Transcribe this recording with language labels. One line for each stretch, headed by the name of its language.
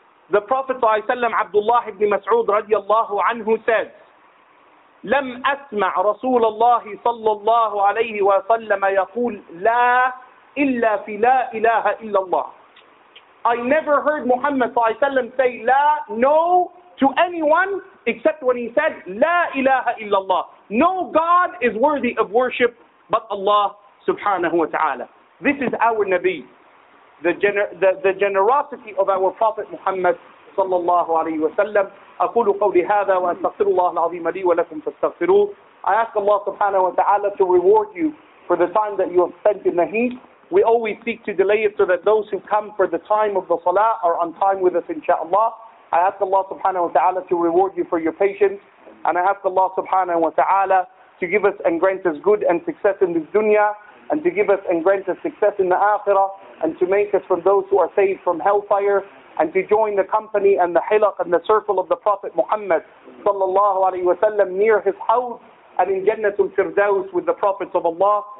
English: The Prophet sallallahu alayhi wa sallam, Abdullah ibn Mas'ud radiallahu anhu, said,
Arabic: لم أسمع رسول الله صلى الله عليه وسلم يقول لا إلا في لا إله إلا الله.
English: I never heard Muhammad صلى الله عليه وسلم say لا, no, to anyone except when he said
Arabic: لا إله إلا الله.
English: No God is worthy of worship but Allah subhanahu wa ta'ala. This is our Nabi. The generosity of our Prophet Muhammad صلى الله عليه وسلم.
Arabic: أقول قولي هذا وأستغفر الله العظيم لي ولكم فاستغفروه.
English: I ask Allah subhanahu wa ta'ala to reward you for the time that you have spent in the heat. We always seek to delay it so that those who come for the time of the salah are on time with us insha'Allah. I ask Allah subhanahu wa ta'ala to reward you for your patience. And I ask Allah subhanahu wa ta'ala to give us and grant us good and success in this dunya, and to give us and grant us success in the akhirah, and to make us from those who are saved from hellfire, and to join the company and the hilaq and the circle of the Prophet Muhammad sallallahu alayhi wa sallam near his house and in Jannatul Firdaus with the Prophets of Allah.